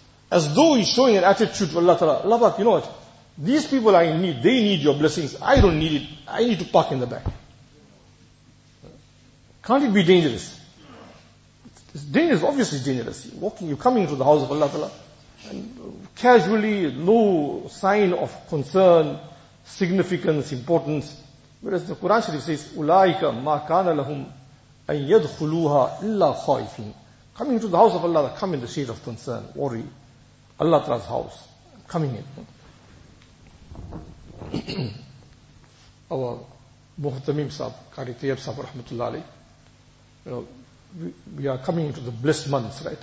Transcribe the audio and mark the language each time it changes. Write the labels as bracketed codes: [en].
[en] As though he's showing an attitude to Allah Ta'ala, Allah Ta'ala, you know what? These people are in need, they need your blessings, I don't need it, I need to park in the back. Can't it be dangerous? It's dangerous, obviously dangerous. You're coming to the house of Allah Ta'ala, and casually, no sign of concern, significance, importance. Whereas the Quran Sharif says, [ar] أُولَٰئِكَ مَا كَانَ لَهُمْ أَن يَدْخُلُوهَا إِلَّا خَائِفِينَ. [en] Coming to the house of Allah, they come in the state of concern, worry. Allah Ta'ala's house, coming in. Our Muhtamim Sahib, Qari Tayyab Sahib, Rahmatullah Ali, you know, we are coming into the blessed months, right?